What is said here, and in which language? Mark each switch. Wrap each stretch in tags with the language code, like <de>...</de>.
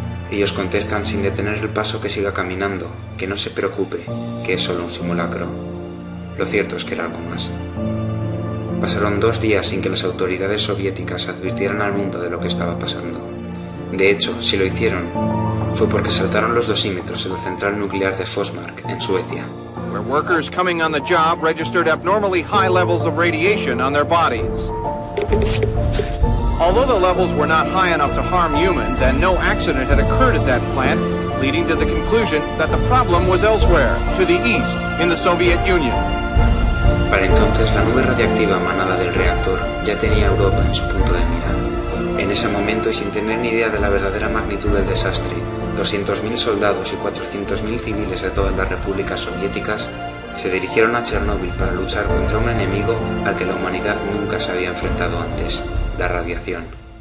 <es>Ellos contestan sin detener el paso que siga caminando, que no se preocupe, que es solo un simulacro. Lo cierto es que era algo más. Pasaron 2 días sin que las autoridades soviéticas advirtieran al mundo de lo que estaba pasando. De hecho, si lo hicieron, fue porque saltaron los dosímetros en la central nuclear de Forsmark, en Suecia.</es> <en>Where workers coming on the job registered abnormally high levels of radiation on their bodies. Although the levels were not high enough to harm humans and no accident had occurred at that plant, leading to the conclusion that the problem was elsewhere, to the east, in the Soviet Union.</en> <es>Para entonces, la nube radiactiva emanada del reactor ya tenía Europa en su punto de mira. En ese momento, y sin tener ni idea de la verdadera magnitud del desastre, 200.000 soldados y 400.000 civiles de todas las repúblicas soviéticas se dirigieron a Chernóbil para luchar contra un enemigo al que la humanidad nunca se había enfrentado antes, la radiación.</es>